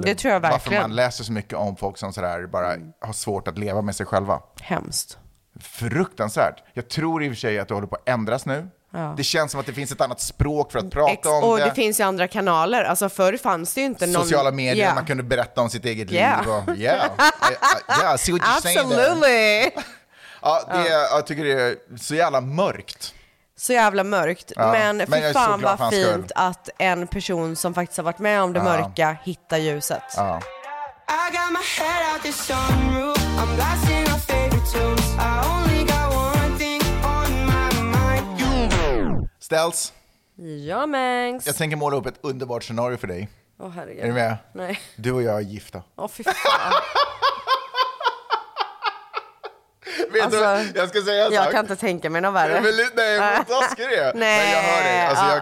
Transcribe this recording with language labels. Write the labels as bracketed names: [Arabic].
[Swedish] det, tror jag varför man läser så mycket om folk som sådär bara har svårt att leva med sig själva. Hemskt. Fruktansvärt. Jag tror i och för sig att det håller på att ändras nu. Ja. Det känns som att det finns ett annat språk för att prata om det. Och det finns ju andra kanaler. Alltså förr fanns det ju inte någon... Sociala medier, yeah. Man kunde berätta om sitt eget liv. [English] Och, yeah, see what you're saying. Absolutely. [Swedish] Ja, det, jag tycker det är så jävla mörkt. Så jävla mörkt. Ja. Men för fan vad fint att en person som faktiskt har varit med om det mörka hittar ljuset. Ja. [English] I got my head out the sunroof. I'm blasting my favorite tunes. I only got one thing on my mind. [Swedish] Stels. Ja, Mängs. Jag tänker måla upp ett underbart scenario för dig. Åh, oh, herregud. Är du med? Nej. Du och jag är gifta. Åh, oh, fy fan. Vet alltså, du, jag ska säga jag sak. Kan inte tänka mig något värre. Vill, nej, vad ska du göra? Nej. Men jag hör dig.